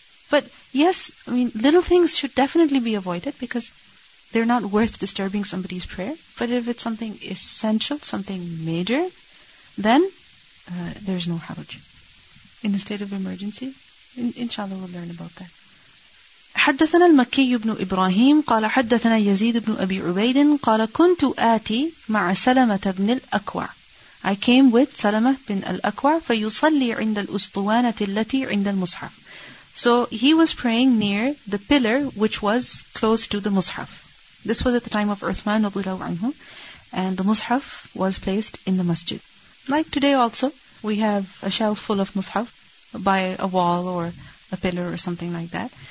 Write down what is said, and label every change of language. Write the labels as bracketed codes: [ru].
[en] But yes, I mean, little things should definitely be avoided because they're not worth disturbing somebody's prayer. But if it's something essential, something major, then there's no haraj. In a state of emergency, inshallah we'll learn about that. [ar] حدثنا المكي بن إبراهيم قال حدثنا يزيد بن أبي عبيد قال كنت آتي مع سلمة بن الأكوع. [en] I came with [ar] سلمة بن الأكوع فيصلي عند الأسطوانة التي عند المصحف. [en] So he was praying near the pillar which was close to the Mus'haf. This was at the time of Uthman رضي الله عنه, and the Mus'haf was placed in the masjid. Like today also, we have a shelf full of Mus'haf by a wall or a pillar or something like that.